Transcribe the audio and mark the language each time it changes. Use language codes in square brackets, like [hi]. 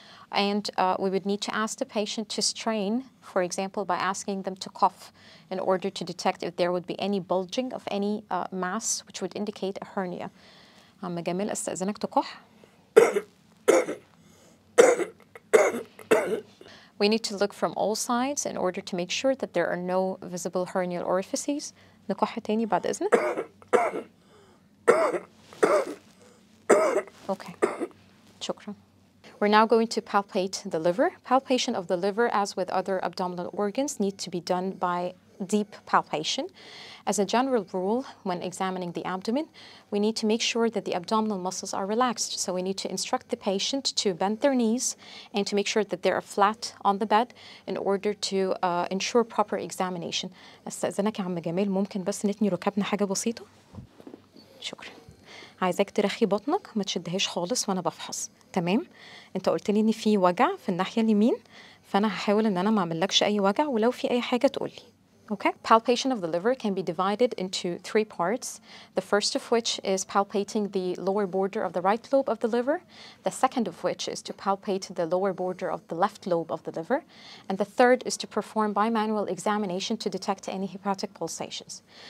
[en] And we would need to ask the patient to strain, for example, by asking them to cough in order to detect if there would be any bulging of any mass, which would indicate a hernia. [ar] عم جمال استأذنك تكح؟ [en] We need to look from all sides in order to make sure that there are no visible hernial orifices. [ar] نكح تاني بعد إذنك؟ Okay. شكرا. [en] We're now going to palpate the liver. Palpation of the liver, as with other abdominal organs, need to be done by deep palpation. As a general rule, when examining the abdomen, we need to make sure that the abdominal muscles are relaxed. So we need to instruct the patient to bend their knees and to make sure that they are flat on the bed in order to ensure proper examination. [ar] استأذنك يا عم جمال ممكن بس نتني ركبنا حاجة بسيطة؟ شكرا. عايزك ترخي بطنك ما تشدهاش خالص وانا بفحص تمام انت قلت لي ان في وجع في الناحيه اليمين فانا هحاول ان انا ما اعملكش اي وجع ولو في اي حاجه تقول لي Okay. [en] Palpation of the liver can be divided into three parts. The first of which is palpating the lower border of the right lobe of the liver. The second of which is to palpate the lower border of the left lobe of the liver. And the third is to perform bimanual examination to detect any hepatic pulsations.